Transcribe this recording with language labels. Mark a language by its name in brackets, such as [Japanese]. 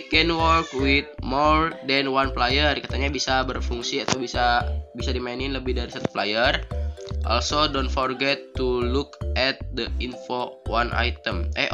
[English] Can work with more than one player. [Indonesian] Katanya bisa berfungsi atau bisa dimainin lebih dari satu player. [English] Also, don't forget to look at the info on item.